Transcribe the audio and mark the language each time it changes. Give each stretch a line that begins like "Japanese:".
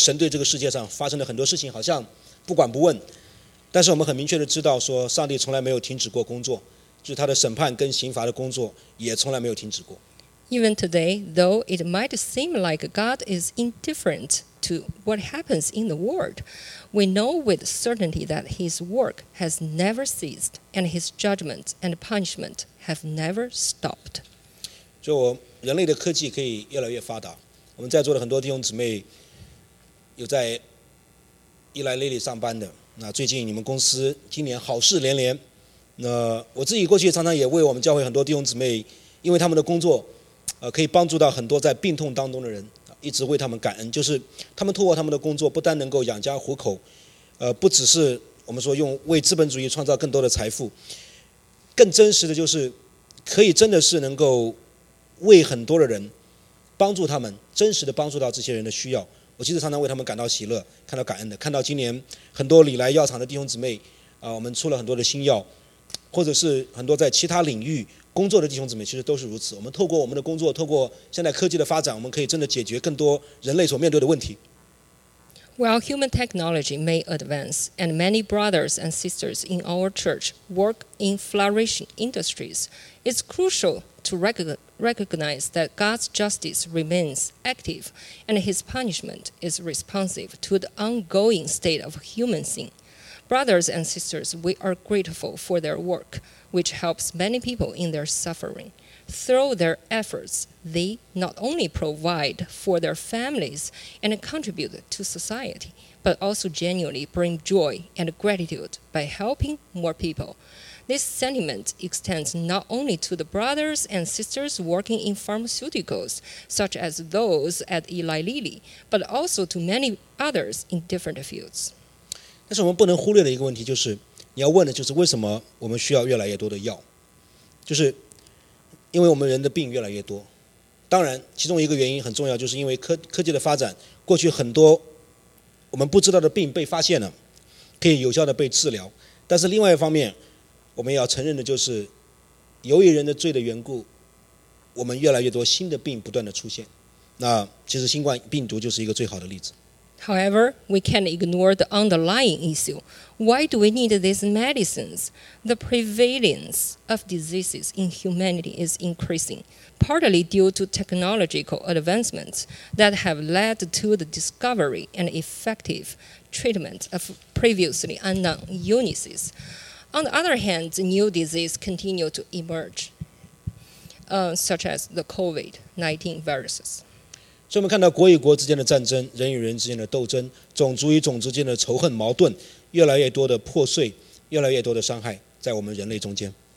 Chinese: 即使在今天我们好像觉得神对这个世界上发生了很多事情, 好像不管不问, 但是我们很明确地知道说上帝从来没有停止过工作, 就是他的审判跟刑罚的工作也从来没有停止过。
English: Even today, though it might seem like God is indifferent to what happens in the world, we know with certainty that his work has never ceased and his judgment and punishment have never stopped.
Chinese: 就人类的科技可以越来越发达, 我们在座的很多弟兄姊妹有在依赖Lily上班的, 那最近你们公司今年好事连连, 那我自己过去常常也为我们教会很多弟兄姊妹, 因为他们的工作, 可以帮助到很多在病痛当中的人, 一直为他们感恩, 就是他们透过他们的工作, 不单能够养家糊口, 不只是我们说用为资本主义创造更多的财富, 更真实的就是, 可以真的是能够为很多的人帮助他们，真实的帮助到这些人的需要。我其实常常为他们感到喜乐，看到感恩的，看到今年很多礼来药厂的弟兄姊妹我们出了很多的新药，或者是很多在其他领域工作的弟兄姊妹，其实都是如此。我们透过我们的工作，透过现代科技的发展，我们可以真的解决更多人类所面对的问题。
English: While human technology may advance and many brothers and sisters in our church work in flourishing industries, it's crucial to recognize that God's justice remains active and his punishment is responsive to the ongoing state of human sin. Brothers and sisters, we are grateful for their work, which helps many people in their suffering. Through their efforts, they not only provide for their families and contribute to society, but also genuinely bring joy and gratitude by helping more people. This sentiment extends not only to the brothers and sisters working in pharmaceuticals, such as those at Eli Lilly, but also to many others in different fields.
Chinese: 但是我们不能忽略的一个问题就是，你要问的就是为什么我们需要越来越多的药，就是因为我们人的病越来越多，当然其中一个原因很重要，就是因为科技的发展，过去很多我们不知道的病被发现了，可以有效的被治疗。但是另外一方面，我们要承认的就是，由于人的罪的缘故，我们越来越多新的病不断的出现。那其实新冠病毒就是一个最好的例子。
English: However, we can't ignore the underlying issue. Why do we need these medicines? The prevalence of diseases in humanity is increasing, partly due to technological advancements that have led to the discovery and effective treatment of previously unknown illnesses. On the other hand, new diseases continue to emerge, such as the COVID-19 viruses.
Chinese: 所以我们看到国与国之间的战争，人与人之间的斗争，种族与种族间的仇恨矛盾，越来越多的破碎，越来越多的伤害在我们人类中间。